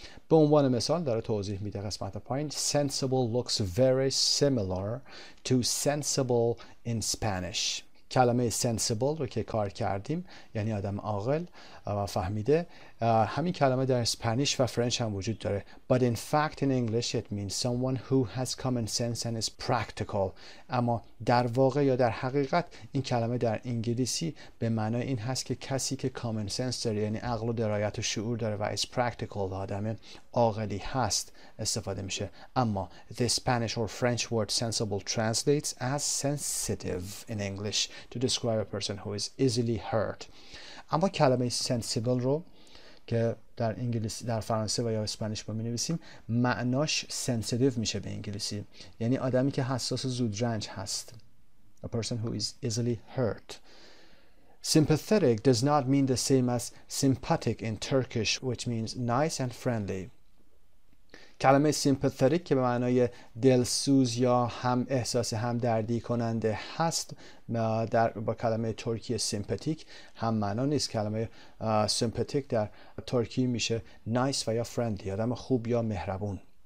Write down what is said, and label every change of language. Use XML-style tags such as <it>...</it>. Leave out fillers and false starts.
<fa>به عنوان مثال داره توضیح میده قسمت پایین،</fa> <en>sensible looks very similar to sensible in Spanish.</en> <fa>کلمه sensible رو که کار کردیم یعنی آدم عاقل و فهمیده، همین کلمه در اسپانیش و فرنش هم وجود داره.</fa> <en>But in fact in English it means someone who has common sense and is practical.</en> <fa>اما در واقع یا در حقیقت این کلمه در انگلیسی به معنای این هست که کسی که common sense داره، یعنی عقل و درایت و شعور داره و</fa> <en>is practical،</en> <fa>آدم عاقلی هست، استفاده میشه. اما</fa> <en>the Spanish or French word sensible translates as sensitive in English to describe a person who is easily hurt.</en> <fa>اما کلمه sensible رو که در انگلیسی، در فرانسه و یا اسپانیش با می نویسیم، معناش sensitive میشه به انگلیسی، یعنی آدمی که حساس و زود رنج هست.</fa> <en>A person who is easily hurt. Sympathetic does not mean the same as sympathetic in Turkish, which means nice and friendly.</en> <fa>کلمه sympathetic که به معنای دلسوز یا هم احساس همدردی کننده هست، در با کلمه ترکی sympathetic هم معنا نیست. کلمه sympathetic در ترکی میشه nice و یا friendly، آدم خوب یا مهربون.</fa>